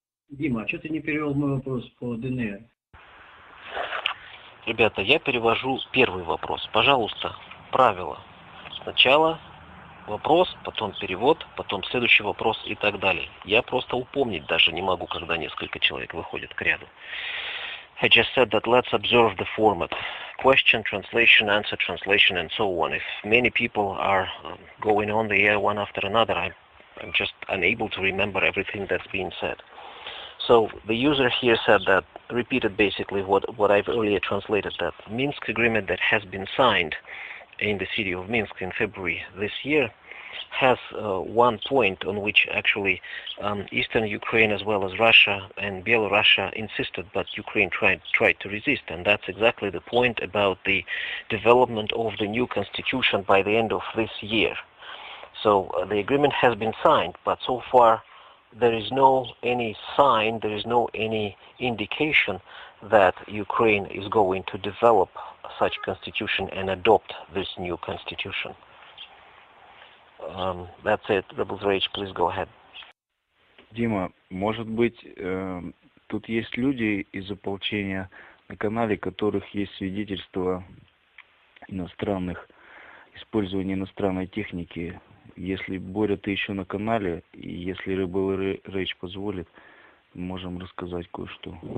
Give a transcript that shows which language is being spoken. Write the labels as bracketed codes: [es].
[ru] Дима, а что ты не перевел мой вопрос по ДНР? Ребята, я перевожу первый вопрос. Пожалуйста, правило. Сначала вопрос, потом перевод, потом следующий вопрос и так далее. Я просто упомнить даже не могу, когда несколько человек выходят к ряду. [en] I just said that let's observe the format. Question, translation, answer, translation and so on. If many people are going on the air one after another, I'm just unable to remember everything that's being said. So the user here said that, repeated basically what I've earlier translated, that Minsk agreement that has been signed in the city of Minsk in February this year has one point on which actually Eastern Ukraine as well as Russia and Belarusia insisted, but Ukraine tried to resist, and that's exactly the point about the development of the new constitution by the end of this year. So the agreement has been signed, but so far there is no any sign, there is no any indication that Ukraine is going to develop such constitution and adopt this new constitution. That's it, Rebels Rage, please go ahead. [ru] Дима, может быть, тут есть люди из ополчения на канале, которых есть свидетельство иностранных, использования иностранной техники. Если Боря, ты еще на канале, и если Rebel Rage позволит, можем рассказать кое-что.